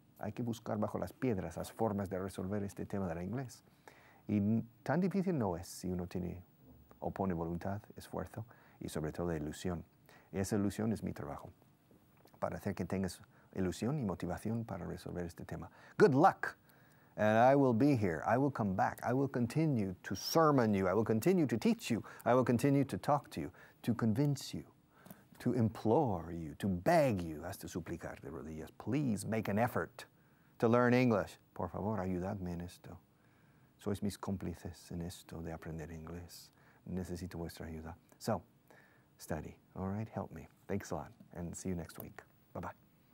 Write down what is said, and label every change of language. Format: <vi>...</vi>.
<es>Hay que buscar bajo las piedras las formas de resolver este tema del inglés. Y tan difícil no es si uno tiene o pone voluntad, esfuerzo y sobre todo ilusión. Y esa ilusión es mi trabajo para hacer que tengas ilusión y motivación para resolver este tema.</es> <en>Good luck! And I will be here. I will come back. I will continue to sermon you. I will continue to teach you. I will continue to talk to you, to convince you, to implore you, to beg you,</en> <es>hasta suplicar de rodillas.</es> <en>Please make an effort. to learn English.</en> <es>Por favor, ayudadme en esto. Sois mis cómplices en esto de aprender inglés. Necesito vuestra ayuda.</es> <en>So, study, all right? Help me. Thanks a lot, and see you next week. Bye-bye.</en>